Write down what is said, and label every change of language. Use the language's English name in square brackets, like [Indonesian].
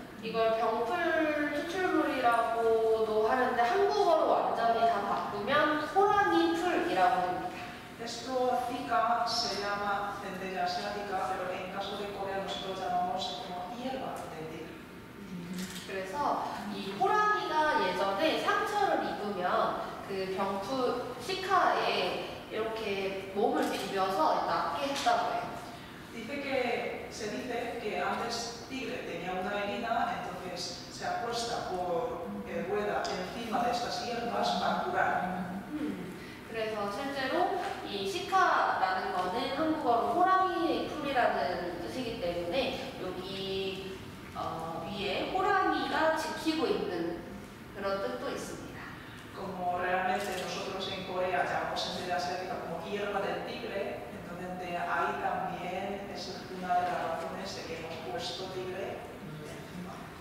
[Korean] 이걸 병풀 추출물이라고도 하는데 한국어로 완전히 다 바꾸면 호랑이풀이라고 합니다. [Spanish] Esto acá se llama centella asiática, pero en caso de Corea nosotros llamamos como hierba centella. [Korean] 그래서 이 호랑이가 예전에 상처를 입으면 그 병풀 시카에 이렇게 몸을 비벼서 낫게 했다고 해요. [Spanish] Dice que se dice que antes tigre tenía una herida, entonces se acuesta por rueda encima de estas hierbas para curar. [Korean] 그래서 실제로 이 시카라는 거는 한국어로 호랑이의 풀이라는 뜻이기 때문에 여기 위에 호랑이가 지키고 있는 그런 뜻도 있습니다. [Spanish] Como realmente nosotros en Corea llamamos en la asiática como hierba del tigre, entonces de ahí también es una de las razones de que hemos puesto tigre encima.